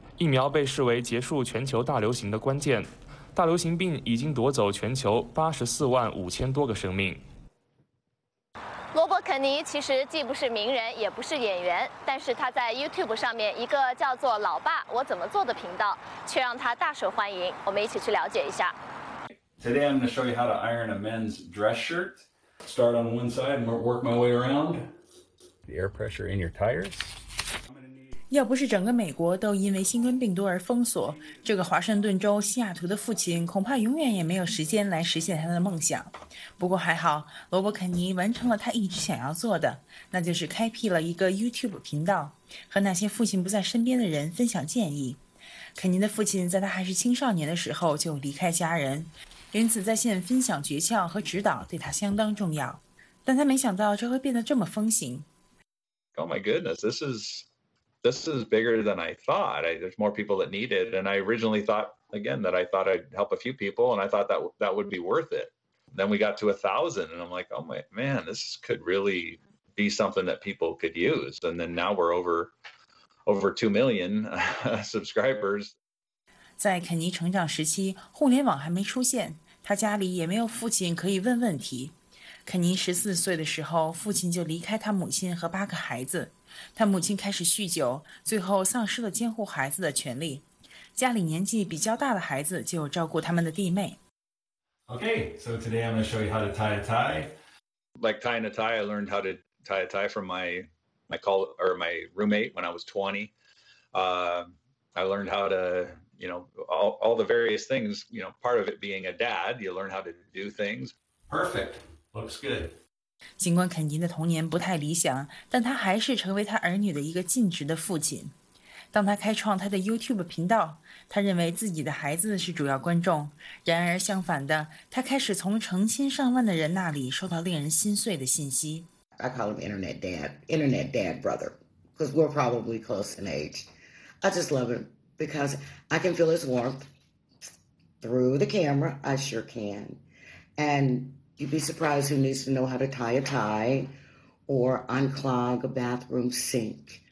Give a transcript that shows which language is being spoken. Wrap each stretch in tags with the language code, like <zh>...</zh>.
<zh>疫苗被视为结束全球大流行的关键，大流行病已经夺走全球845,000多个生命。罗伯·肯尼其实既不是名人也不是演员，但是他在 YouTube 上面一个叫做老爸我怎么做的频道却让他大受欢迎，我们一起去了解一下。</zh> <en>Today I'm going to show you how to iron a men's dress shirt. Start on one side and work my way around. The air pressure in your tires.</en> <zh>要不是整个美国都因为新冠病毒而封锁，这个华盛顿州西雅图的父亲恐怕永远也没有时间来实现他的梦想。不过还好，罗伯·肯尼完成了他一直想要做的，那就是开辟了一个 YouTube 频道，和那些父亲不在身边的人分享建议。肯尼的父亲在他还是青少年的时候就离开家人，因此在线分享诀窍和指导对他相当重要。但他没想到这会变得这么风行。</zh> <en>Oh my goodness, this is bigger than I thought. There's more people that need it. And I originally thought, again, that I thought I'd help a few people and I thought that would be worth it. Then we got to 1,000 and I'm like, oh my man, this could really be something that people could use. And then now we're over 2 million subscribers.</en> <zh>在肯尼成长时期，互联网还没出现，他家里也没有父亲可以问问题。肯尼14岁的时候，父亲就离开他母亲和8个孩子。他母亲开始酗酒，最后丧失了监护孩子的权利。家里年纪比较大的孩子就照顾他们的弟妹。</zh> <en>Okay, so today I'm going to show you how to tie a tie. Like tying a tie, I learned how to tie a tie from my roommate when I was 20. I learned how to, you know, all the various things. You know, part of it being a dad, you learn how to do things. Perfect. Looks good.</en> <zh>尽管肯尼的童年不太理想，但他还是成为他儿女的一个尽职的父亲。当他开创他的 YouTube 频道，他认为自己的孩子是主要观众。然而相反的，他开始从成千上万的人那里收到令人心碎的信息。</zh> <en>I call him Internet Dad Brother, because we're probably close in age. I just love him because I can feel his warmth through the camera. I sure can. And... You'd be surprised who needs to know how to tie a tie or unclog a bathroom sink.</en>